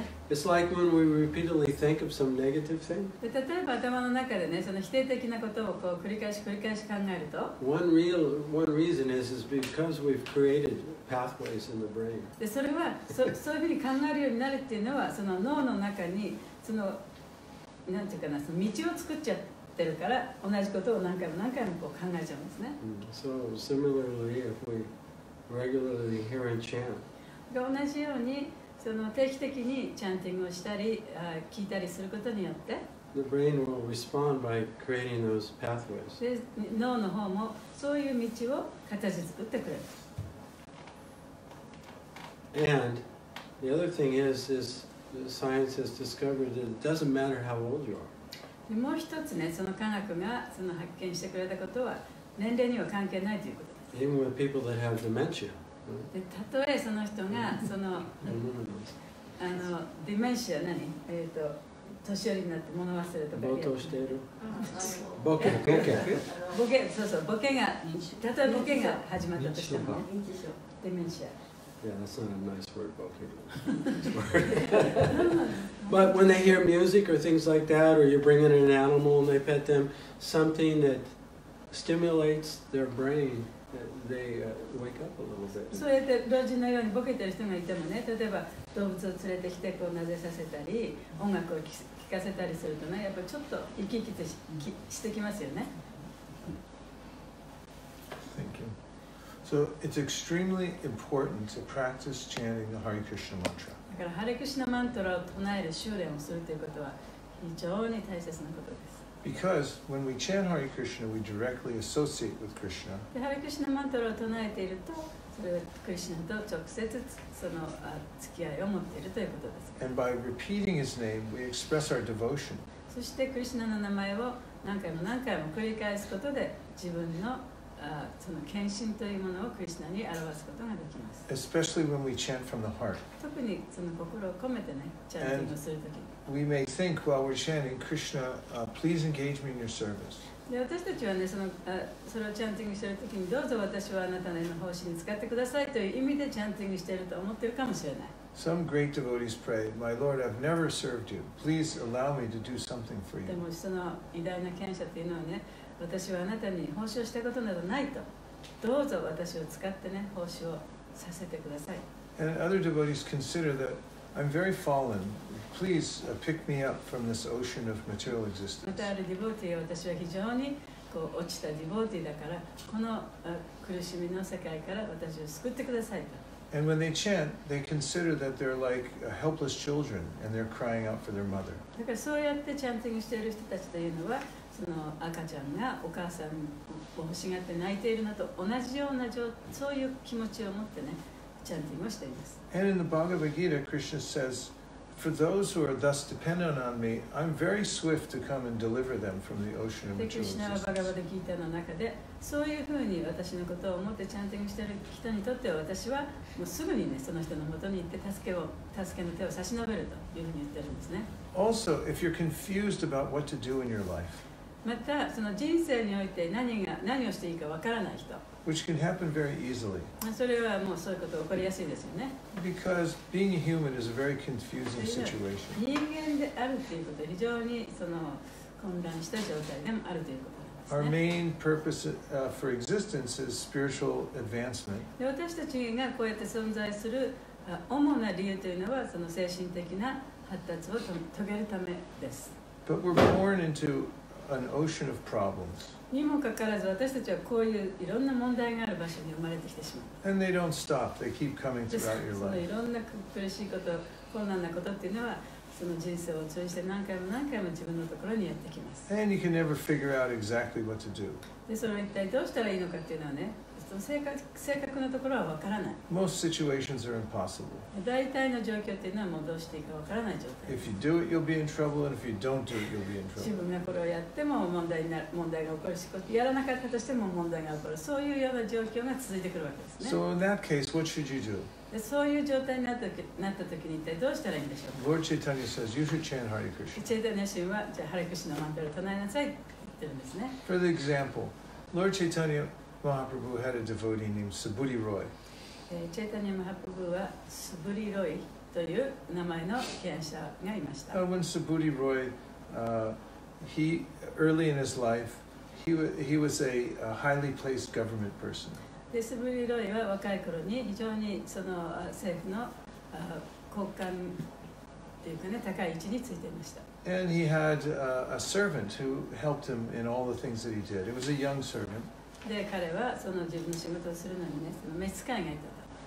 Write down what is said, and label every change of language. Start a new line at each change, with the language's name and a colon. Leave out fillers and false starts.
English: It's like when we repeatedly think of some negative thing.
Japanese: 例えば頭の中でね、その否定的なことをこう繰り返し繰り返し考えると、
English: one reason is because we've created pathways in the brain.
Japanese: で、それはそういうふうに考えるようになるっていうのは、その脳の中にそのなんていうかな、その道を作っちゃってるから、同じことを何回も何回もこう考えちゃうんですね。
English: So similarly, if we regularly hear a chant,
Japanese: 同じように。その定期的にチャンティングをしたり、聞いたりすることによって、
English: The brain will respond by creating those pathways.
Japanese: 脳の方もそういう道を形作ってくれる。
English: And the other thing is the science has discovered that it doesn't matter how old you are.
Japanese: でもう一つね、その科学がその発見してくれたことは年齢には関係ないということ。
English: Even with people that have dementia.
Japanese: でたとえその人がそのあのディメンシア何年寄りになって物忘れとか冒頭しているボケそうそうボケが例えばボケが始まったとしてもデメンシア
English: Yeah, that's not a nice word, ボケ But when they hear music or things like that or you bring in an animal and they pet them something that stimulates their brain they wake up a little bit
Japanese: そうやって老人のようにボケてる人がいてもね例えば動物を連れてきてこうなぜさせたり音楽を聞かせたりするとねやっぱちょっと生き生きと してきますよね
English: Thank you So it's extremely important to practice chanting the Hare Krishna Mantra
Japanese: だからハレクシナマントラを唱える修練をするということは非常に大切なことです
English: Because when we chant Hare Krishna, we directly associate with Krishna.
Japanese: で、ハレクシナマントラを唱えていると、それはクリシナと直接その付き合いを持っているということです。
English: And by repeating his name, we express our devotion.
Japanese: そしてクリシナの名前を何回も何回も繰り返すことで、自分のその献身というものをクリシナに表すことができます。
English: Especially when we chant from the heart.
Japanese: 特にその心を込めてね、チャンティングをするとき。
English: We may think while we're chanting, Krishna, please engage me in your service.
Japanese: で、私たちはね、その、それをチャンティングしているときに、どうぞ私はあなたの奉仕に使ってくださいという意味でチャンティングしていると思っているかもしれない。
English: Some great devotees pray, My Lord, I've never served you. Please allow me to do something for you.
Japanese: でもその偉大な献身というのはね、私はあなたに奉仕をしたことなどないと。どうぞ私を使ってね、奉仕をさせてください。
English: And other devotees consider that I'm very fallen. Please pick me up from this ocean of material existence.
Japanese: またあるディボーティーは私は非常にこう落ちたディボーティーだからこの苦しみの世界から私を救ってくださいと。
English: And when they chant, they consider that they're like helpless children and they're crying out for their mother.
Japanese: だからそうやってチャンティングしている人たちというのはその赤ちゃんがお母さんを欲しがって泣いているのと同じようなそういう気持ちを持ってねチャンティングをしています。
English: And in the Bhagavad Gita, Krishna says,For those who are thus dependent on me, I'm very swift to come and deliver them from the ocean of material existence.
Japanese: クリシナはバガバダギータの中で、そういうふうに私のことを思ってチャンティングしている人にとっては、私はもうすぐにね、その人のもとに行って助けの手を差し伸べるというふうに言ってるんですね。
English: Also, if you're confused about what to do in your life,
Japanese: またその人生において何をしていいかわからない人。
English: Which can happen very easily.
Japanese: それはもうそういうこと起こりやすいですよね。
English: Because being a human is a very confusing situation.
Japanese: 人間であるということ、非常にその混乱した状態でもあるということなんですね。
English: Our main purpose for existence is spiritual advancement.
Japanese: で、私たちがこうやって存在する主な理由というのは、その精神的な発達を遂げるためです。
English: But we're born into an ocean of problems.
Japanese: にもかかわらず私たちはこういういろんな問題がある場所に生まれてきてしまう。
English: And they don't stop. They keep coming throughout your life.
Japanese: そのいろんな苦しいこと、困難なことっていうのは、その人生を通じて何回も何回も自分のところにやってきます。
English: And you can never figure out exactly what to do.
Japanese: で、それは一体どうしたらいいのかっていうのはね、その正確なところはわからない。
English: Most situations are impossible.
Japanese: 大体の状況っていうのはもうどうしていいかわからない状態。
English: If you do it, you'll be in trouble, and if you don't do it, you'll be in trouble.
Japanese: 自分がこれをやっても問題が起こるし、やらなかったとしても問題が起こる。そういうような状況が続いてくるわけですね。
English: So in that case, what should you do?
Japanese: で、そういう状態になった時に一体どうしたらいいんでしょうか。
English: Lord Chaitanya says, you should chant Hare Krishna.
Japanese: Chaitanya Shin は、じゃあ、ハレクシナのマントラを唱えなさいって言ってるんですね。
English: For the example, Lord Chaitanya,Mahaprabhu had a devotee named Subhuti Roy.
Japanese: Chaitanya Mahaprabhu は Subhuti Roy という名前の献身者がいました。
English: And when Subhuti Roy, he early in his life, he was a highly placed government person.
Japanese: で、Subhuti Roy は若い頃に非常にその政府の高官というかね高い位置についていました。
English: And he had a servant who helped him in all the things that he did. It was a young servant.
Japanese: で彼はその自分の仕事をするのにね、その召使いがいたと。